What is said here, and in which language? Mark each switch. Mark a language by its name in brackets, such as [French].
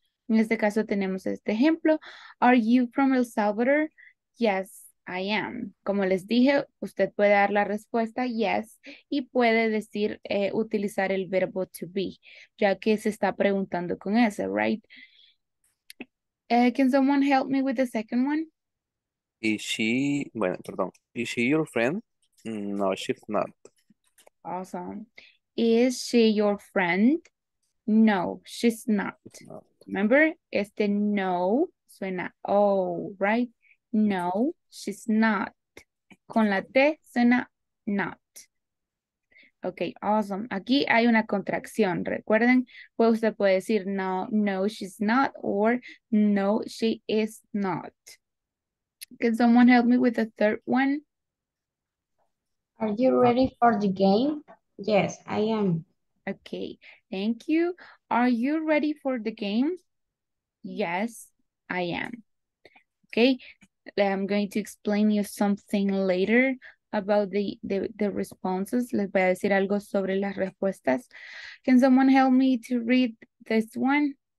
[Spanish] En este caso tenemos este ejemplo. [English] Are you from El Salvador? Yes, I am. [Spanish] Como les dije, usted puede dar la respuesta yes y puede decir, utilizar el verbo to be, ya que se está preguntando con ese, right? [English] Can someone help me with the second one? Is she your friend? No, she's not. Awesome. Is she your friend? No, she's not. Remember, [Spanish] este no suena oh, right? [English] No, she's not. [Spanish] Con la T suena [English] not. Ok, awesome. [Spanish] Aquí hay una contracción. Recuerden, pues usted puede decir [English] no, no, she's not, or no, she is not. Can someone help me with the third one? Are you ready for the game? Yes, I am. Ok, thank you. Are you ready for the game? Yes, I am. Ok. I'm going to explain you something later about the responses. [Spanish] Les voy a decir algo sobre las respuestas. [English] Can someone help me to read this one?